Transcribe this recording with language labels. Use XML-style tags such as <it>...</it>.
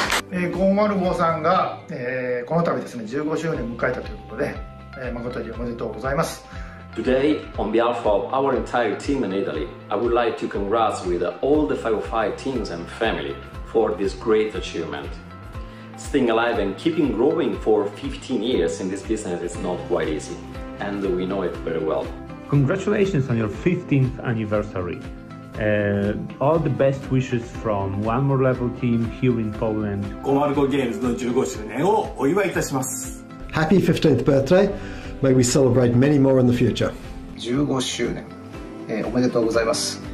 <ja>ゴーマルゴさんが この度ですね 15周年迎えたということで 誠におめでとうございます。</ja> <en>Today, on behalf of our entire team in Italy, I would like to congrats with all the 505 teams and family for this great achievement. Staying alive and keeping growing for 15 years in this business is not quite easy, and we know it very well. Congratulations on your 15th anniversary. All the best wishes from One More Level team here in Poland.</en> <ja>Gomargo Games の 15周年をお祝いいたします。</ja> <en>Happy 15th birthday. May we celebrate many more in the future.</en> <ja>15周年 おめでとうございます。</ja>